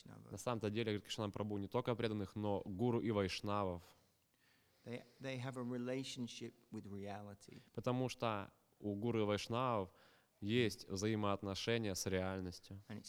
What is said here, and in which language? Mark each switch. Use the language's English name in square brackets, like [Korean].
[Russian] На самом-то деле, говорит Кришна Прабху, не только преданных, но гуру и вайшнавов. [English] They have a relationship with reality. [Russian] Потому что у гуру и вайшнавов есть взаимоотношения с реальностью.